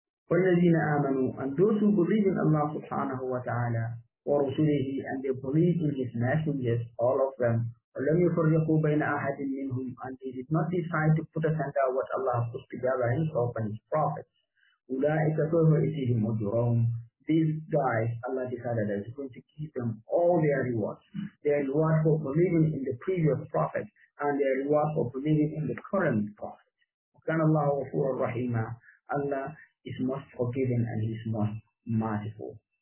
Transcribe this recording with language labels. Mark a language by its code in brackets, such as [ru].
[en] والذين آمنوا and those who believe in Allah سبحانه وتعالى ورسله and they believe in his messengers, all of them, ولم يفرقوا بين أحد منهم and they did not decide to put asunder what Allah has put together himself and his prophets. [ar] أولئك سوف يؤتيهم أجورهم. [en] These guys, Allah decided that he's going to give them all their rewards. Their reward for believing in the previous prophet and their reward for believing in the current prophet. [ar] وكان الله غفورا رحيما. [en] Allah is most forgiving and he is most merciful.